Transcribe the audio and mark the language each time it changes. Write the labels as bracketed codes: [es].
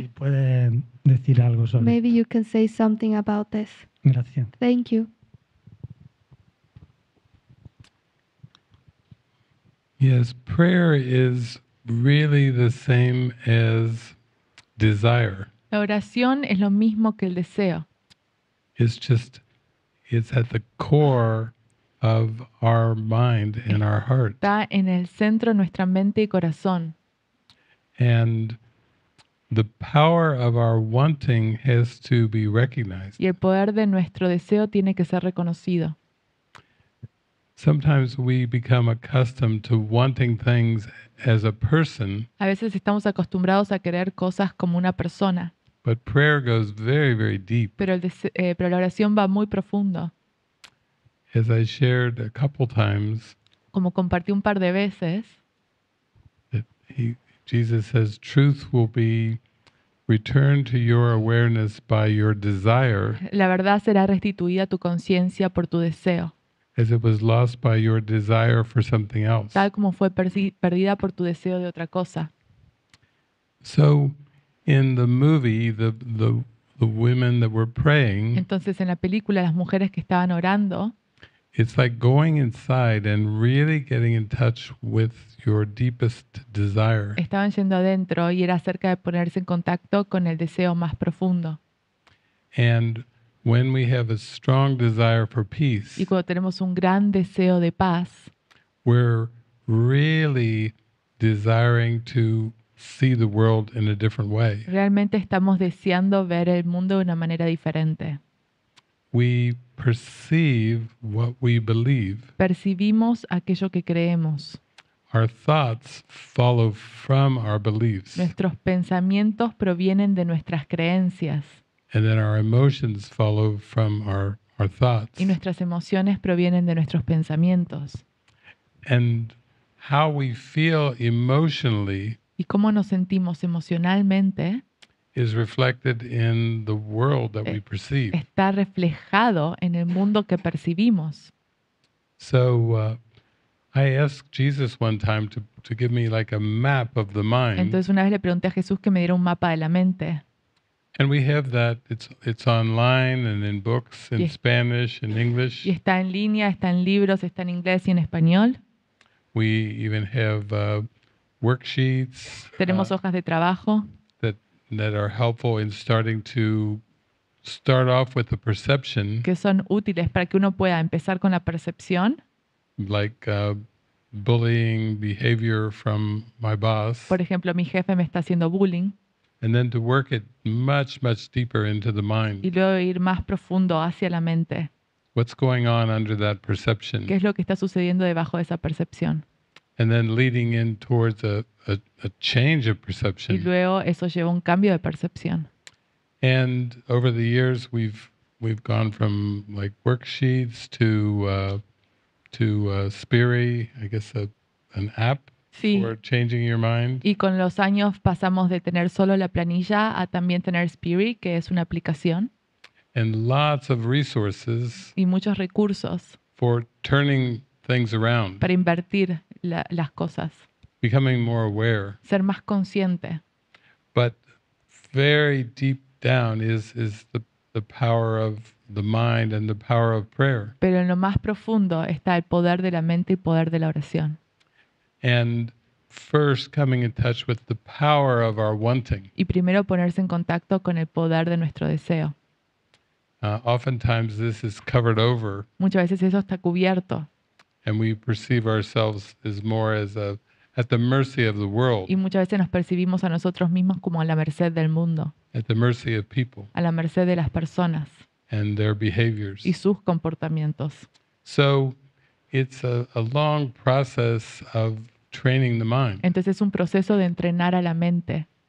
[es] Si puede decir algo sobre. [en] Maybe you can say something about this. [es] Gracias. [en] Thank you. Yes, prayer is really the same as desire. [es] La oración es lo mismo que el deseo. [en] It's just, it's at the core of our mind and our heart. [es] Está en el centro de nuestra mente y corazón. [en] And the power of our wanting has to be recognized. [es] Y el poder de nuestro deseo tiene que ser reconocido. [en] Sometimes we become accustomed to wanting things as a person. [es] A veces estamos acostumbrados a querer cosas como una persona. [en] But prayer goes very, very deep. [es] Pero la oración va muy profundo. [en] As I shared a couple times, [es] como compartí un par de veces, [en] Jesus says, "Truth will be returned to your awareness by your desire." [es] La verdad será restituida a tu conciencia por tu deseo. [en] As it was lost by your desire for something else. [es] Tal como fue perdida por tu deseo de otra cosa. [en] So. In the movie, the women that were praying. [es] Entonces, en la película, las mujeres que estaban orando. [en] It's like going inside and really getting in touch with your deepest desire. [es] Estaban yendo adentro y era acerca de ponerse en contacto con el deseo más profundo. [en] And when we have a strong desire for peace. [es] Y cuando tenemos un gran deseo de paz. [en] We're really desiring to. See the world in a different way. [es] Realmente estamos deseando ver el mundo de una manera diferente. [en] We perceive what we believe. [es] Percibimos aquello que creemos. [en] Our thoughts follow from our beliefs. [es] Nuestros pensamientos provienen de nuestras creencias. [en] And then our emotions follow from our thoughts. [es] Y nuestras emociones provienen de nuestros pensamientos. [en] And how we feel emotionally. [es] Y cómo nos sentimos emocionalmente [en] is reflected in the world that we perceive. [es] Está reflejado en el mundo que percibimos. [en] So I asked Jesus one time to give me like a map of the mind. [es] Entonces una vez le pregunté a Jesús que me diera un mapa de la mente. [en] And we have that it's online and in books in Spanish and English. [es] Y está en línea, está en libros, está en inglés y en español. [en] We even have worksheets. [es] Tenemos hojas de trabajo [en] that are helpful in starting to start off with the perception. [es] Que son útiles para que uno pueda empezar con la percepción. [en] Like bullying behavior from my boss. [es] Por ejemplo, mi jefe me está haciendo bullying. [en] And then to work it much, much deeper into the mind. [es] Y luego ir más profundo hacia la mente. [en] What's going on under that perception? [es] ¿Qué es lo que está sucediendo debajo de esa percepción? [en] And then leading in towards a change of perception. [es] Y luego eso lleva un cambio de percepción. [en] And over the years we've gone from like worksheets to Spiri, I guess an app. [es] Sí. [en] For changing your mind. [es] Y con los años pasamos de tener solo la planilla a también tener Spiri, que es una aplicación. [en] And lots of resources. [es] Y muchos recursos. [en] For turning things around. [es] Para invertir las cosas. [en] Becoming more aware. [es] Ser más consciente. [en] But very deep down is the power of the mind and the power of prayer. [es] Pero en lo más profundo está el poder de la mente y poder de la oración. [en] And first coming in touch with the power of our wanting. [es] Y primero ponerse en contacto con el poder de nuestro deseo. [en] Oftentimes this is covered over. [es] Muchas veces eso está cubierto. [en] And we perceive ourselves as more at the mercy of the world. [es] Y muchas veces nos percibimos a nosotros mismos como a la merced del mundo. [en] At the mercy of people. [es] A la merced de las personas. [en] And their behaviors. [es] Y sus comportamientos. [en] So it's a long process of training the mind. [es] Entonces es un proceso de entrenar a la mente.